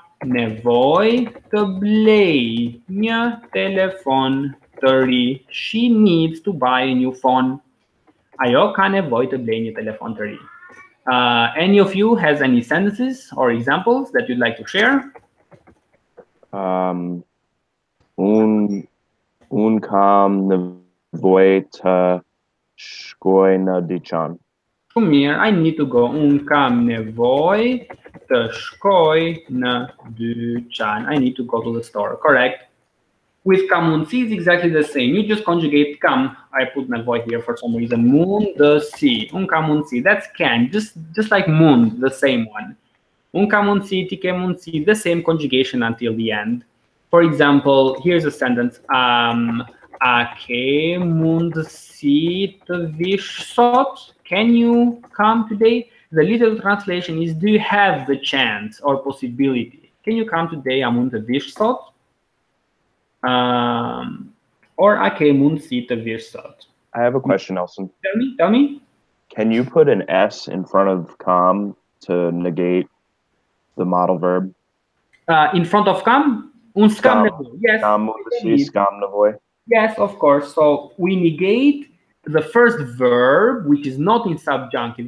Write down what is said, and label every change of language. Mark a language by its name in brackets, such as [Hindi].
[Albanian] Nevoj të blej një telefon të ri. [English] She needs to buy a new phone. [Albanian] Ajo ka nevoj të blej një telefon të ri. [English] Any of you has any sentences or examples that you'd like to share? [Albanian] Un kam nevoj të shkoj në dyqan. Shumë mirë, [English] I need to go. [Albanian] Un kam nevoj të shkoj në dyqan. [English] I need to go to the store. Correct. With kam mundësi is exactly the same. You just conjugate kam. I put nevoj here for some reason. Mundësi. [Albanian] Un kam mundësi. [English] That's can. Just like mund, the same one. [Albanian] Un kam mundësi, ti ke mundësi, [English] the same conjugation until the end. For example, here's a sentence. [Albanian] A ke mundësi të vish sot? [English] Can you come today? The literal translation is, do you have the chance or possibility? Can you come today? [Albanian] A mund të vish sot? Or a ke mundësi të vish sot? [English] I have a question, Nelson. Tell me. Can you put an S in front of come to negate the modal verb? In front of come? [Albanian] Un skam nevoj. [English] Yes. [Albanian] Kam mundësi, skam nevoj. [English] Yes, of course. So we negate the first verb, which is not in subjunctive.